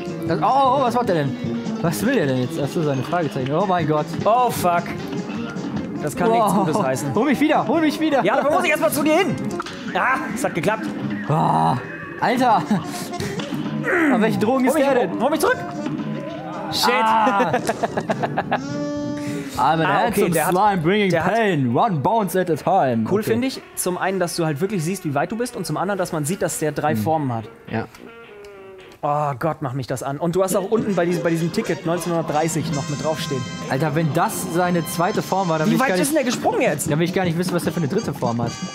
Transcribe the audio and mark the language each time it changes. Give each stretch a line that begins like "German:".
German: Oh, was macht der denn? Was will der denn jetzt? Achso, seine Fragezeichen. Oh mein Gott.
English: Oh, fuck.
German: Das kann nichts Gutes heißen. Hol mich wieder! Ja, da muss ich erstmal zu dir hin! Ah, es hat geklappt! Oh, Alter! Aber welche Drogen ist der denn? Hol mich zurück! Shit!
English: I'm an handsome slime bringing pain, one bounce at a time.
German: Cool, okay. Finde ich, zum einen, dass du halt wirklich siehst, wie weit du bist, und zum anderen, dass man sieht, dass der drei Formen hat. Ja. Oh Gott, mach mich das an. Und du hast auch unten bei diesem Ticket 1930 noch mit draufstehen. Alter, wenn das seine zweite Form war, dann will ich gar nicht... Wie weit ist denn der gesprungen jetzt? Dann will ich gar nicht wissen, was der für eine dritte Form hat.